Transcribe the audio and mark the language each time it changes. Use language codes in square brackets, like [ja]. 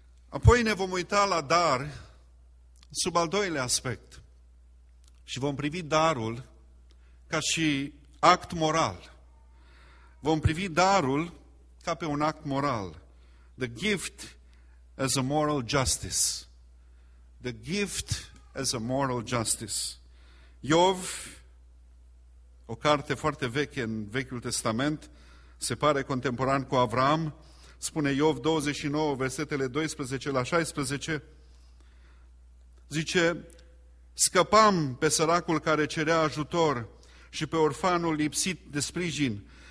[ro] Apoi ne vom uita la dar sub al doilea aspect și vom privi darul ca și act moral. Vom privi darul ca pe un act moral. [en] The gift as a moral justice. The gift as a moral justice. [ro] Iov, o carte foarte veche în Vechiul Testament, se pare contemporan cu Avram, spune Iov 29, versetele 12 la 16, zice: scăpam pe săracul care cerea ajutor și pe orfanul lipsit de sprijin.